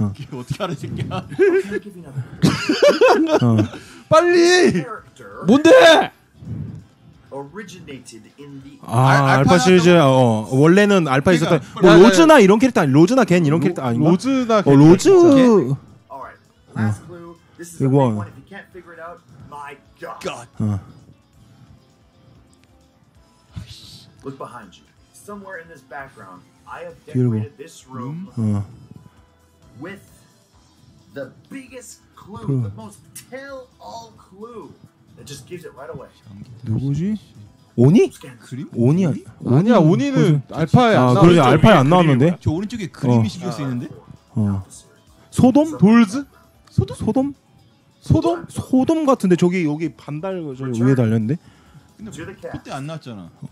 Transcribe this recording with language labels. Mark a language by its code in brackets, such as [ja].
[ko] 이게 어떻게 알아 새끼야. 빨리. 뭔데? [en] Originated in the. [ko] 아 알파 시리즈. 어 원래는 알파 있었던. 뭐 로즈나 이런 캐릭터 아니 로즈나 겐 이런 캐릭터 아닌가? 로즈나. 어 로즈. [en] Last clue. This is a big one. If you can't figure it out, my God. Look behind you. Somewhere in this background, I have decorated this room with the biggest clue, the most tell-all clue that just gives it right away. [ko] 누구지? 오니? 오니 아니야. 오니는 알파에 안 나왔는데. 아, 그래 알파에 안 나왔는데. 저 오른쪽에 그림이 실려 있는데. 소돔? 돌즈? 소돔? 소돔? 소돔 같은데 저기 여기 반달 저 위에 달렸는데. 근데 그때 안 나왔잖아.